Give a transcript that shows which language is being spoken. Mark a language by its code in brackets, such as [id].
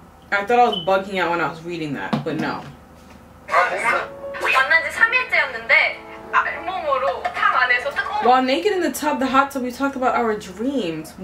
[en] I thought I was bugging out when I was reading that, but no. [ko] 만난 지 3일째였는데 알몸으로 탕 안에서 뜨거운 [en] While naked in the tub, the hot tub, we talked about our dreams.